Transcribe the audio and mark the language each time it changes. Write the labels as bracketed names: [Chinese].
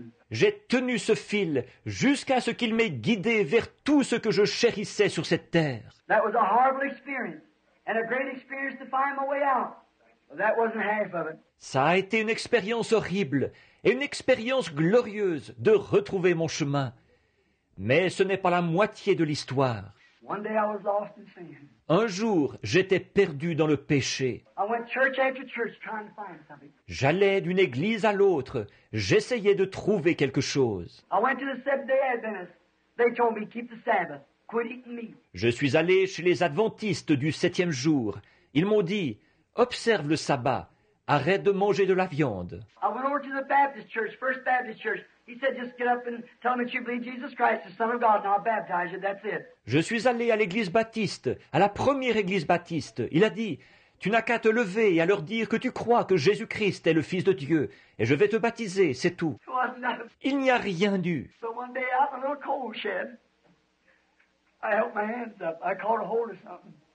[French] J'ai tenu ce fil jusqu'à ce qu'il m'ait guidé vers tout ce que je chérissais sur cette terre. [English] That was a horrible experience, and a great experience to find my way out. That wasn't half of it. [French] Ça a été une expérience horrible et une expérience glorieuse de retrouver mon chemin. Mais ce n'est pas la moitié de l'histoire. [English] One day I was lost in sin. [French] Un jour, j'étais perdu dans le péché. [English] I went church after church trying to find something. [French] J'allais d'une église à l'autre. J'essayais de trouver quelque chose. [English] I went to the Seventh-day Adventists. They told me, keep the Sabbath. Quit eating meat. [French] Je suis allé chez les Adventistes du septième jour. Ils m'ont dit, observe le sabbat. Arrête de manger de la viande. [English] I went over to the Baptist church, First Baptist church. He said, just get up and tell me that you believe Jesus Christ, the Son of God, and I'll baptize you. That's it. [French] Je suis allé à l'église baptiste, à la première église baptiste. Il a dit, tu n'as qu'à te lever et à leur dire que tu crois que Jésus-Christ est le Fils de Dieu, et je vais te baptiser, c'est tout. Il n'y a rien d'eu. [English] So one day out in a little coal shed, I held my hands up. I caught a hold of something.